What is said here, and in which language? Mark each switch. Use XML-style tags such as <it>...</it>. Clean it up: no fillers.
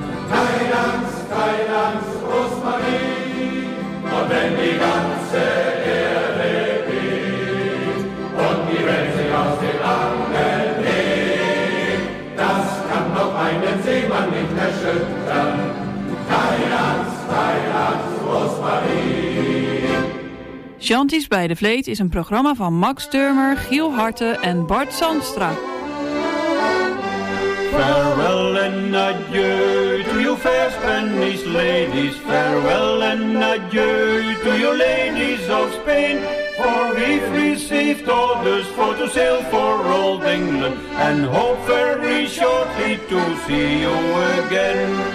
<de>Kein Angst, kein Angst, Rosmarie, und wenn die ganze Erde geht und die Welt sich aus den Armen legt, das kann doch einen Seemann nicht erschüttern. Kein Angst, kein Angst, Rosmarie.</de> <nl>Shanties bij de Vleet is een programma van Max Turmer, Giel Harte en Bart Zandstra.</nl> <en>Farewell and adieu to you fair Spanish ladies. Farewell and adieu to you ladies of Spain. For we've received orders for to sail for old England and hope very shortly to see you again.</en>